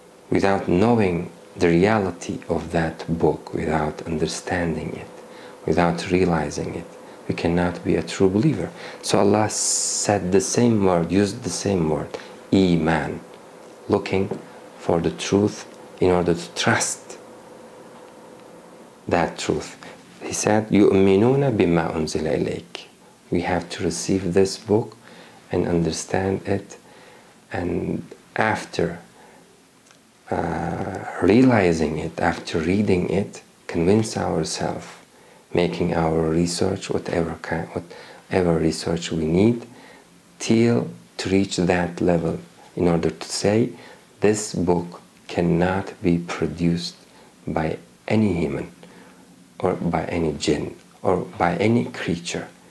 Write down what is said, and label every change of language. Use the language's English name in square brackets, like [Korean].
[English] Without knowing the reality of that book, without understanding it, without realizing it, we cannot be a true believer. So Allah said the same word, used the same word, Iman, looking for the truth in order to trust that truth. [Arabic] He said, يُؤْمِنُونَ بِمَا أُنزِلَ إِلَيْكَ. [English] We have to receive this book and understand it, and after realizing it, after reading it, convince ourselves, making our research, whatever research we need, till to reach that level, in order to say, this book cannot be produced by any human, or by any jinn, or by any creature.